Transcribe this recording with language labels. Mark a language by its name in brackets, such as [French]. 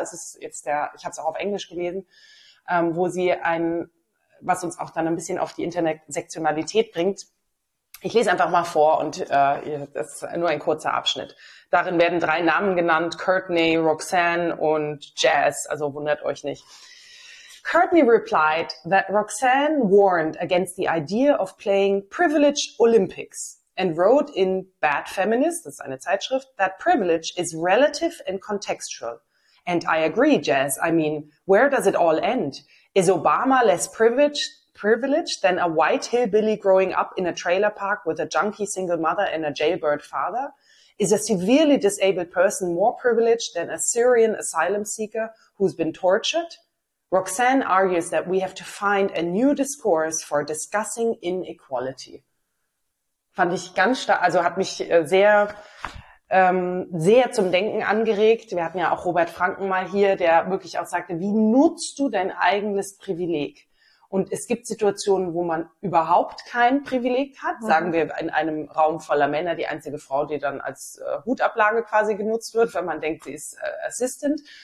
[German] Es ist jetzt der, ich habe es auch auf Englisch gelesen, wo sie ein, was uns auch dann ein bisschen auf die Intersektionalität bringt. Ich lese einfach mal vor und das ist nur ein kurzer Abschnitt. Darin werden drei Namen genannt, Courtney, Roxanne und Jazz, also wundert euch nicht. [English] Courtney replied that Roxanne warned against the idea of playing privileged Olympics and wrote in Bad Feminist, [German] das ist eine Zeitschrift, [English] that privilege is relative and contextual. And I agree, Jazz, I mean, where does it all end? Is Obama less privileged than a white hillbilly growing up in a trailer park with a junky single mother and a jailbird father? Is a severely disabled person more privileged than a Syrian asylum seeker who's been tortured? Roxanne argues that we have to find a new discourse for discussing inequality. [German] Fand ich ganz stark, also hat mich sehr, sehr zum Denken angeregt. Wir hatten ja auch Robert Franken mal hier, der wirklich auch sagte, wie nutzt du dein eigenes Privileg? Und es gibt Situationen, wo man überhaupt kein Privileg hat. Sagen wir, in einem Raum voller Männer, die einzige Frau, die dann als Hutablage quasi genutzt wird, wenn man denkt, sie ist Assistant.